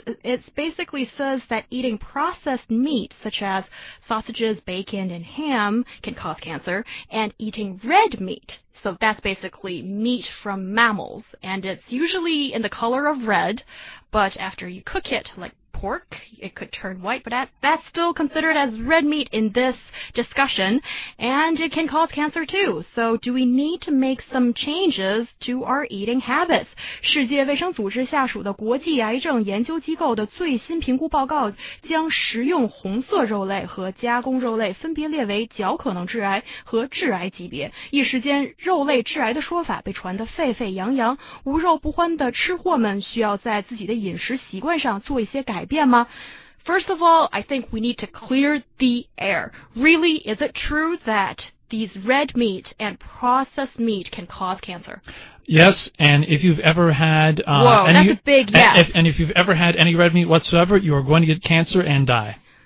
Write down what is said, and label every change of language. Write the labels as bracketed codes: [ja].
[en] It basically says that eating processed meat, such as sausages, bacon, and ham, can cause cancer, and eating red meat, so that's basically meat from mammals, and it's usually in the color of red, but after you cook it, like pork, it could turn white, but that's still considered as red meat in this discussion, and it can cause cancer too. So do we need to make some changes to our eating habits? [zh] 世界卫生组织下属的国际癌症研究机构的最新评估报告将食用红色肉类和加工肉类分别列为较可能致癌和致癌级别。一时间，肉类致癌的说法被传得沸沸扬扬，无肉不欢的吃货们需要在自己的饮食习惯上做一些改变吗？ [en] First of all, I think we need to clear the air. Really, is it true that these red meat and processed meat can cause cancer? Yes, and if you've ever had... And if you've ever had any red meat whatsoever, you are going to get cancer and die.